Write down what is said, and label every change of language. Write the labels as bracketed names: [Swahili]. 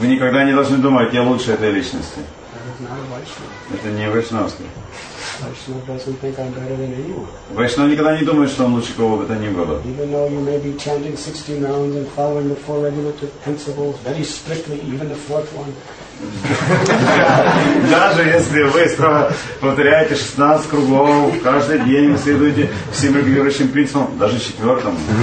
[Russian] Вы никогда не должны думать, я лучше этой личности. [English] That is not a [Russian] Vaishnava. Это не [English] Vaishnava. Vaishnava doesn't think I'm better than anyone. [Russian] Vaishnava никогда не думает, что он лучше кого бы то ни было. [English] Even though you may be chanting 16 rounds and following the four regulative principles, very strictly, even the fourth one. [Russian] Даже если вы повторяете 16 кругов, каждый день следуете всем регулирующим принципам, даже четвертым.